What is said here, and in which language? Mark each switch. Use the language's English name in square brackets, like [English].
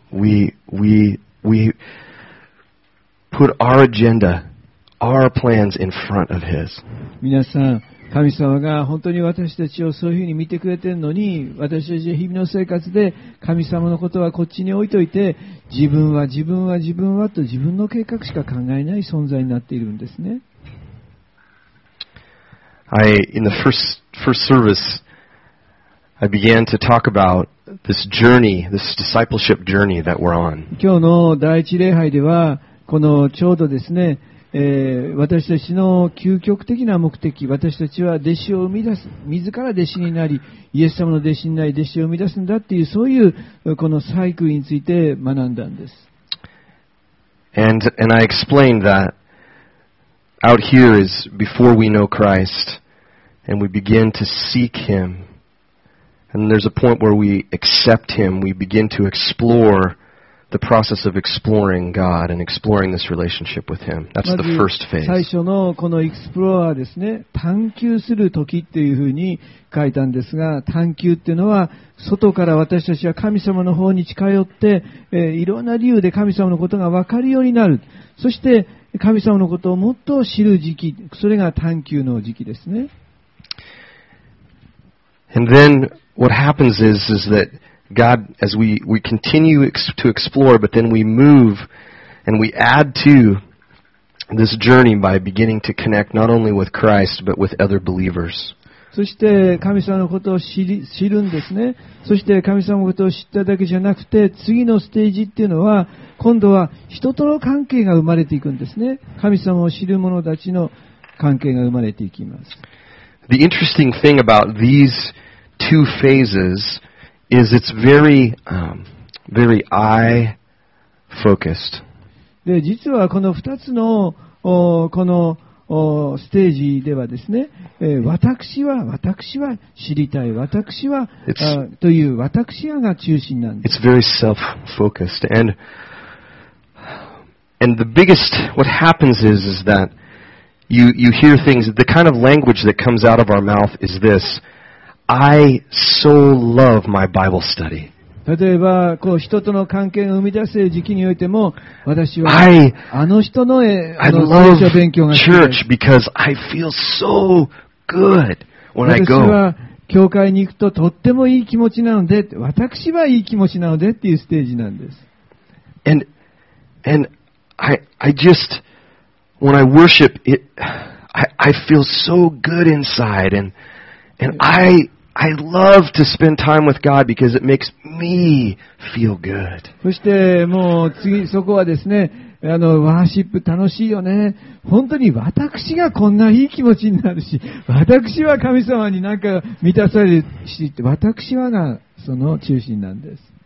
[English] We put our agenda, our plans in front of his. [Japanese] 皆さん、神様が本当に私たちをそういうふうに見てくれているのに、私たちは日々の生活で神様のことはこっちに置いといて、自分は自分は自分はと自分の計画しか考えない存在になっているんですね。 [English] I, in the first service, I began to talk about this journey, this discipleship journey that we're on. [Japanese] 今日の第一礼拝では、このちょうどですね、私たちの究極的な目的、私たちは弟子を生み出す、自ら弟子になり、イエス様の弟子になり、弟子を生み出すんだっていう、そういうこのサイクルについて学んだんです。 [English] And I explained that out here is before we know Christ and we begin to seek Him. And there's a point where we accept Him, we begin to exploreThe process of exploring God and exploring this relationship with Him. That's the first phase. [Japanese] 最初のこのエクスプロアーですね、探求する時っていうふうに書いたんですが、探求っていうのは外から私たちは神様の方に近寄って、いろんな理由で神様のことが分かるようになる。そして神様のことをもっと知る時期、それが探求の時期ですね。 [English] And then what happens is that. God, as we continue to explore, but then we move and we add to this journey by beginning to connect not only with Christ, but with other believers. [Japanese] そして神様のことを知るんですね。そして神様のことを知っただけじゃなくて、次のステージっていうのは、今度は人との関係が生まれていくんですね。神様を知る者たちの関係が生まれていきます。 [English] The interesting thing about these two phases is it's very, very eye focused. [Japanese] で、実はこの2つのこのステージではですね、私は、私は知りたい、私はという私が中心なんです。 [English] It's very self focused. And the biggest, what happens is that you hear things, the kind of language that comes out of our mouth is this. I so love my Bible study. [Japanese] 例えばこう人との関係が生み出す時期においても、私はあの人の聖書勉強が [English] church because I feel so good when I go. [Japanese] 私は教会に行くととってもいい気持ちなので、私はいい気持ちなのでっていうステージなんです。 [English] And I just when I worship it, I feel so good inside and. And I love to spend time with God because it makes me feel good. [Japanese] そしてもう次そこはですね、ワーシップ楽しいよね。本当に私がこんないい気持ちになるし、私は神様になんか満たされるし、私はがその中心なんです。